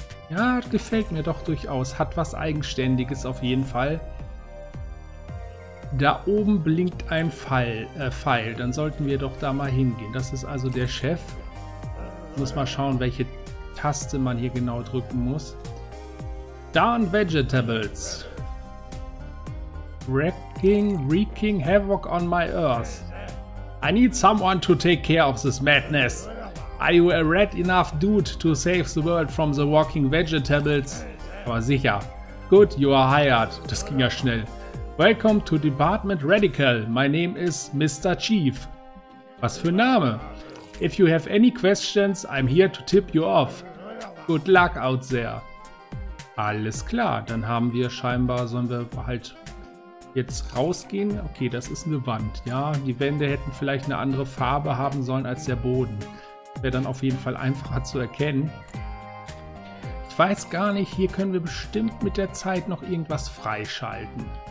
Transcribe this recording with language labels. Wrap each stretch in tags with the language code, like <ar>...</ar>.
<de>Ja, gefällt mir doch durchaus. Hat was Eigenständiges auf jeden Fall. Da oben blinkt ein Pfeil. Dann sollten wir doch da mal hingehen. Das ist also der Chef. Muss mal schauen, welche Taste man hier genau drücken muss.</de> <en>Darn Vegetables. Wreaking havoc on my earth. I need someone to take care of this madness. Are you a rat enough dude to save the world from the walking vegetables?</en> <de>Aber sicher.</de> <en>Good, you are hired.</en> <de>Das ging ja schnell.</de> <en>Welcome to Department Radical. My name is Mr. Chief.</en> <de>Was für ein Name.</de> <en>If you have any questions, I'm here to tip you off. Good luck out there.</en> <de>Alles klar, dann haben wir scheinbar, sollen wir halt jetzt rausgehen. Okay, das ist eine Wand. Ja, die Wände hätten vielleicht eine andere Farbe haben sollen als der Boden. Wäre dann auf jeden Fall einfacher zu erkennen. Ich weiß gar nicht, hier können wir bestimmt mit der Zeit noch irgendwas freischalten.</de>